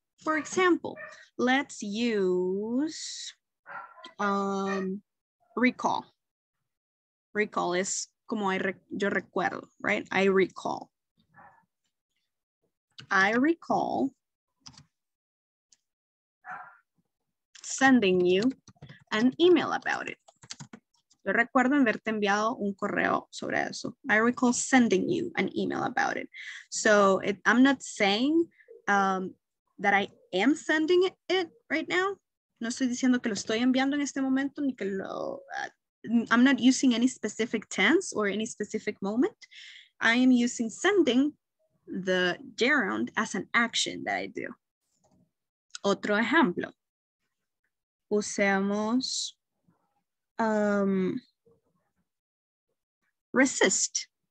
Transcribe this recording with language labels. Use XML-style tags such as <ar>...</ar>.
<en>For example, let's use recall. Recall is</en> <es>como yo recuerdo,</es> <en>right? I recall. I recall sending you an email about it.</en> <es>Yo recuerdo haberte enviado un correo sobre eso.</es> <en>I recall sending you an email about it. So it, I'm not saying that I am sending it right now.</en> <es>No estoy diciendo que lo estoy enviando en este momento ni que lo.</es> <en>I'm not using any specific tense or any specific moment. I am using sending the gerund as an action that I do.</en> <es>Otro ejemplo. Usemos resist.</es>